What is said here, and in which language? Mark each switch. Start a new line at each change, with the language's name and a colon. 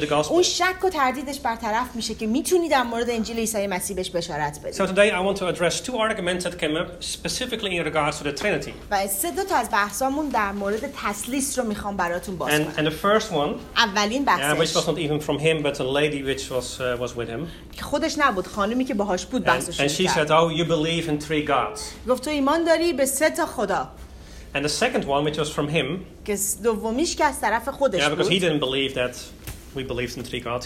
Persian: اون شک و تردیدش برطرف میشه که میتونی در مورد انجیل عیسی مسیح بهش بشارت بدی.
English: So today I want to address two arguments that came up specifically in regards to the Trinity.
Persian: و سه دو تا از بحثامون در مورد تثلیث رو میخوام براتون باز کنم.
English: And the first one.
Persian: اولین بحثش.
English: Yeah, which was not even from him but a lady which was with him.
Persian: خودش نبود، خانمی که باهاش بود بحثش کرد.
English: And she said, "Oh, you believe in three gods."
Persian: گفت تو ایمان داری به سه تا خدا.
English: And the second one, which was from him,
Persian: دومیش که از طرف خودش بود.
English: Yeah, because he didn't believe that we believed in three gods.